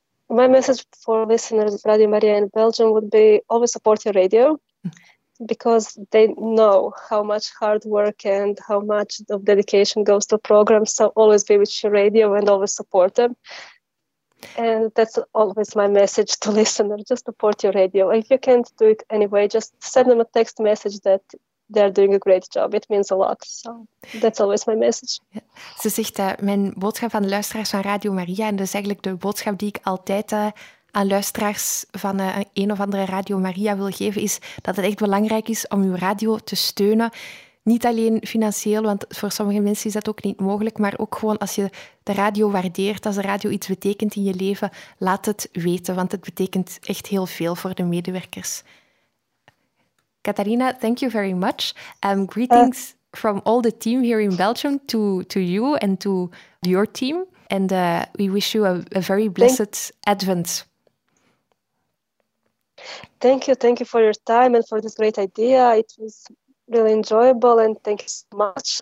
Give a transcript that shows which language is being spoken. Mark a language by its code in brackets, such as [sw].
[en] My message for listeners of Radio Maria in Belgium would be always support your radio, because they know how much hard work and how much of dedication goes to programs. So always be with your radio and always support them. And that's always my message to listeners, just support your radio. If you can't do it anyway, just send them a text message that they're doing a great job. It means a lot. So that's always my message. Ja. [nl] Ze zegt dat mijn boodschap aan de luisteraars van Radio Maria, en dat is eigenlijk de boodschap die ik altijd aan luisteraars van een of andere Radio Maria wil geven, is dat het echt belangrijk is om uw radio te steunen. Niet alleen financieel, want voor sommige mensen is dat ook niet mogelijk, maar ook gewoon als je de radio waardeert, als de radio iets betekent in je leven, laat het weten, want het betekent echt heel veel voor de medewerkers. [en] Catharina, thank you very much. Greetings from all the team here in Belgium to you and to your team. And we wish you a very blessed Advent. Thank you for your time and for this great idea. It was really enjoyable, and thank you so much.